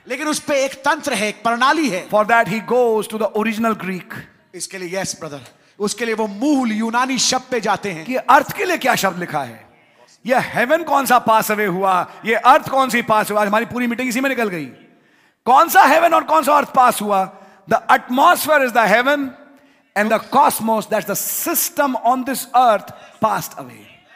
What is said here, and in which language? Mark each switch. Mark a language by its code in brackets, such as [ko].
[hi] लेकिन उस पे एक तंत्र है, एक प्रणाली है। [en] For that he goes to the original Greek. [hi] इसके लिए, [en] yes brother, [hi] उसके लिए वो मूल यूनानी शब्द पे जाते हैं कि अर्थ के लिए क्या शब्द लिखा है। ये हेवन कौन सा पास अवे हुआ, ये अर्थ कौन सी पास हुआ? हमारी पूरी मीटिंग इसी में निकल गई। कौन सा हेवन और कौन सा अर्थ पास हुआ? [en] The atmosphere is the heaven and the cosmos that's the system on this earth passed away.